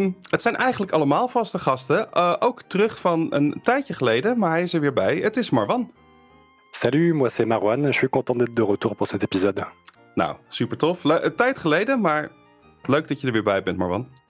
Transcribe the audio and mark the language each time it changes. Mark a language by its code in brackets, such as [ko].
[nl] Het zijn eigenlijk allemaal vaste gasten. Ook terug van een tijdje geleden, maar hij is er weer bij. Het is Marwan. [fr] Salut, moi c'est Marwan. Je suis content d'être de retour pour cet épisode. [nl] Nou, super tof. Een tijd geleden, maar leuk dat je er weer bij bent, Marwan.